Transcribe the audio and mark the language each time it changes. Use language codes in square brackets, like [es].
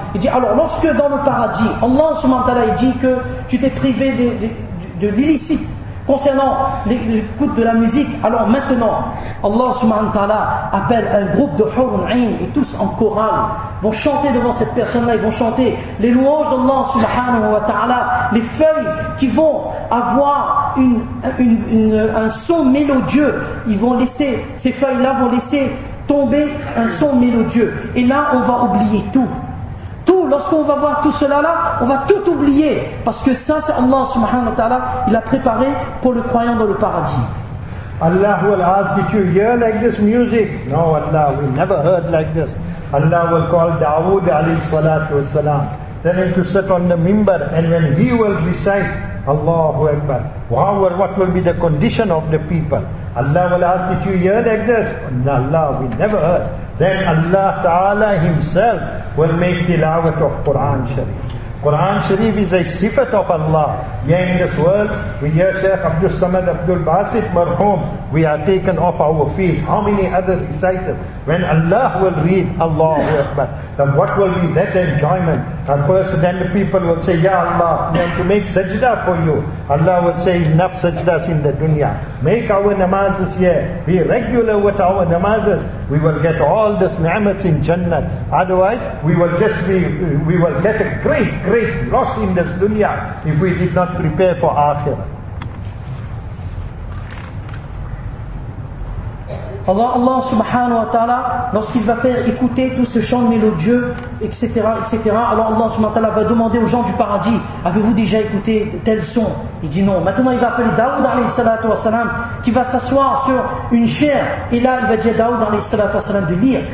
[fr] Il dit, alors, lorsque dans le paradis, Allah subhanahu wa ta'ala, il dit que tu t'es privé de l'illicite concernant l'écoute de la musique, alors maintenant, Allah subhanahu wa ta'ala appelle un groupe de Hurul Ain et tous en chorale vont chanter devant cette personne-là, ils vont chanter les louanges d'Allah subhanahu wa ta'ala, les feuilles qui vont avoir un son mélodieux, ils vont laisser, ces feuilles-là vont laisser tomber un son mélodieux. Et là, on va oublier tout. Tout, lorsqu'on va voir tout cela là, on va tout oublier. Parce que ça, c'est Allah subhanahu wa ta'ala, il a préparé pour le croyant dans le paradis. [en] Allah will ask, did you hear like this music? No, Allah, we never heard like this. Allah will call Dawood alayhi salatu wa salam. Then he will sit on the mimbar, and when he will recite, Allahu Akbar. However, what will be the condition of the people? Allah will ask, did you hear like this? No, Allah, we never heard. Then Allah Ta'ala himself will make tilawat of Quran Sharif. Quran Sharif is a sifat of Allah. Yeah, in this world, we hear Shaykh Abdul Samad Abdul Basit Marhum, we are taken off our feet. How many other recitals? When Allah will read Allahu Akbar, then what will be that enjoyment? And first then the people will say, Ya Allah, we have to make sajda for you. Allah will say, enough sajdas in the dunya. Make our namazes here. Be regular with our namazes. We will get all this ni'mat in Jannah. Otherwise, we will get a great, great loss in this dunya if we did not prepare for akhirah. [fr] Allah, Allah subhanahu wa ta'ala, lorsqu'il va faire écouter tout ce chant mélodieux, etc., etc., alors Allah subhanahu wa ta'ala va demander aux gens du paradis, avez-vous déjà écouté tel son? Il dit non. Maintenant il va appeler Daoud alayhi salatu wa salam, qui va s'asseoir sur une chaire, et là il va dire Daoud alayhi salatu wa salam de lire.